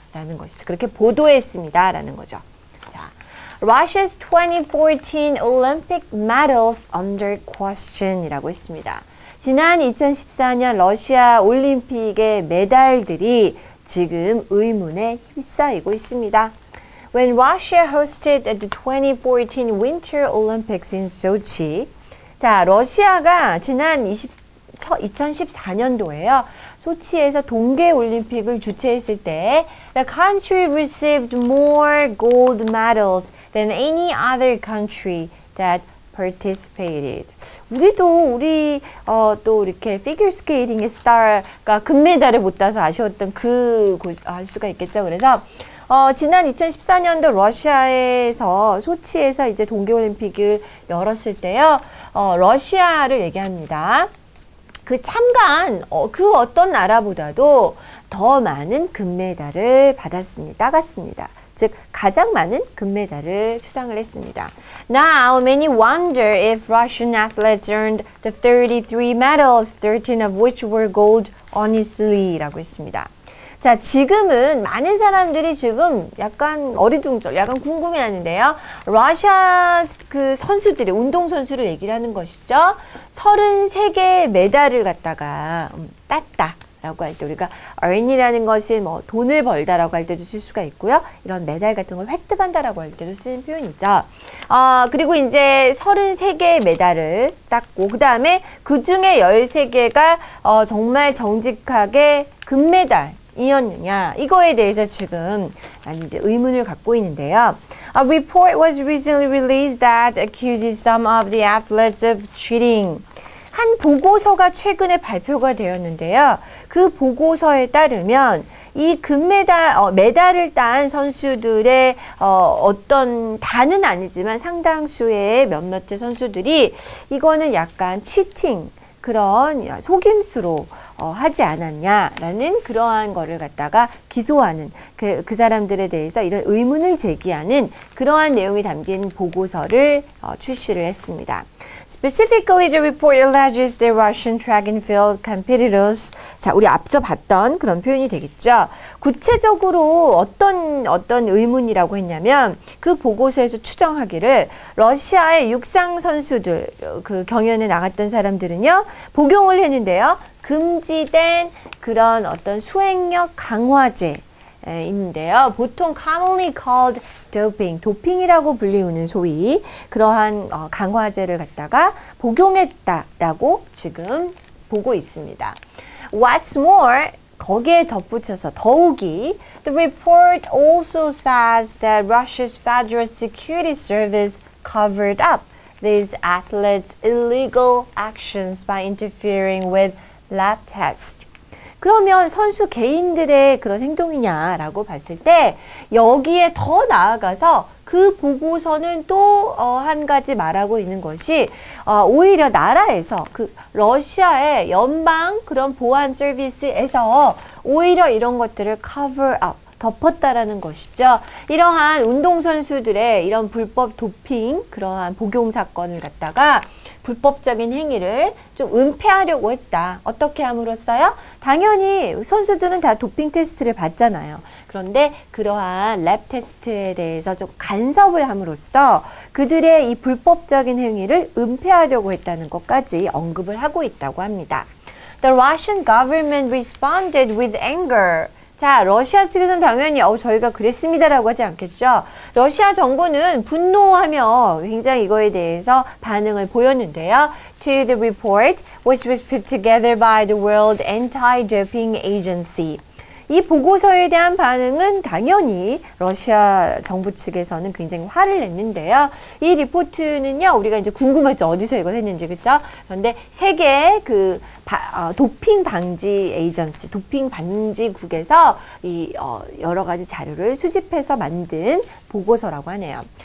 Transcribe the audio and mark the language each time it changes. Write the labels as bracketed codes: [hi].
[ko] 라는 것이죠. 그렇게 보도했습니다. 라는 거죠. [en] Russia's 2014 Olympic medals under question [ko] 이라고 했습니다. 지난 2014년 러시아 올림픽의 메달들이 지금 의문에 휩싸이고 있습니다. [en] When Russia hosted the 2014 Winter Olympics in Sochi. [ko] 자, 러시아가 지난 2014년도에요. 소치에서 동계올림픽을 주최했을 때 [en] The country received more gold medals than any other country that participated. [ko] 우리도 우리 또 이렇게 figure skating의 star가 금메달을 못 따서 아쉬웠던 그 할 수가 있겠죠. 그래서 지난 2014년도 러시아에서 소치에서 이제 동계올림픽을 열었을 때요. 러시아를 얘기합니다. 그 참가한 그 어떤 나라보다도 더 많은 금메달을 받았습니다. 따갔습니다. 즉 가장 많은 금메달을 수상을 했습니다. [en] Now many wonder if Russian athletes earned the 33 medals, 13 of which were gold honestly라고 [ko] 했습니다. 자, 지금은 많은 사람들이 지금 약간 어리둥절, 약간 궁금해하는데요. 러시아 그 선수들이 운동 선수를 얘기를 하는 것이죠. 33개의 메달을 갖다가 땄다. 라고 할 때 우리가 earn이라는 것이 뭐 돈을 벌다라고 할 때도 쓸 수가 있고요. 이런 메달 같은 걸 획득한다라고 할 때도 쓰는 표현이죠. 그리고 이제 33개의 메달을 땄고 그다음에 그 중에 13개가 정말 정직하게 금메달 이었느냐 이거에 대해서 지금 이제 의문을 갖고 있는데요. [en] A report was recently released that accuses some of the athletes of cheating. [ko] 한 보고서가 최근에 발표가 되었는데요. 그 보고서에 따르면 이 금메달, 메달을 딴 선수들의 어떤 다는 아니지만 상당수의 몇몇 선수들이 이거는 약간 치팅, 그런 속임수로 하지 않았냐라는 그러한 거를 갖다가 기소하는 그 사람들에 대해서 이런 의문을 제기하는 그러한 내용이 담긴 보고서를 출시를 했습니다. [en] Specifically, the report alleges the Russian track and field competitors. [ko] 자, 우리 앞서 봤던 그런 표현이 되겠죠. 구체적으로 어떤 의문이라고 했냐면 그 보고서에서 추정하기를 러시아의 육상 선수들 그 경연에 나갔던 사람들은요 복용을 했는데요 금지된 그런 어떤 수행력 강화제. 있는데요. 보통 [en] commonly called doping, [ko] 도핑이라고 불리우는 소위 그러한 강화제를 갖다가 복용했다라고 지금 보고 있습니다. [en] What's more, [ko] 거기에 덧붙여서 더욱이 [en] The report also says that Russia's Federal Security Service covered up these athletes' illegal actions by interfering with lab tests. [ko] 그러면 선수 개인들의 그런 행동이냐라고 봤을 때 여기에 더 나아가서 그 보고서는 또 한 가지 말하고 있는 것이 오히려 나라에서 그 러시아의 연방 그런 보안 서비스에서 오히려 이런 것들을 cover up 덮었다라는 것이죠. 이러한 운동선수들의 이런 불법 도핑 그러한 복용 사건을 갖다가 불법적인 행위를 좀 은폐하려고 했다. 어떻게 함으로써요? 당연히 선수들은 다 도핑 테스트를 받잖아요. 그런데 그러한 랩 테스트에 대해서 좀 간섭을 함으로써 그들의 이 불법적인 행위를 은폐하려고 했다는 것까지 언급을 하고 있다고 합니다. [en] The Russian government responded with anger. [ko] 자, 러시아 측에서는 당연히 저희가 그랬습니다라고 하지 않겠죠. 러시아 정부는 분노하며 굉장히 이거에 대해서 반응을 보였는데요. [en] To the report, which was put together by the World Anti-Doping Agency. [ko] 이 보고서에 대한 반응은 당연히 러시아 정부 측에서는 굉장히 화를 냈는데요. 이 리포트는요, 우리가 이제 궁금하죠. 어디서 이걸 했는지, 그렇죠? 그런데 세계 그 도핑 방지 에이전시, 도핑 방지국에서 이 여러 가지 자료를 수집해서 만든 보고서라고 하네요.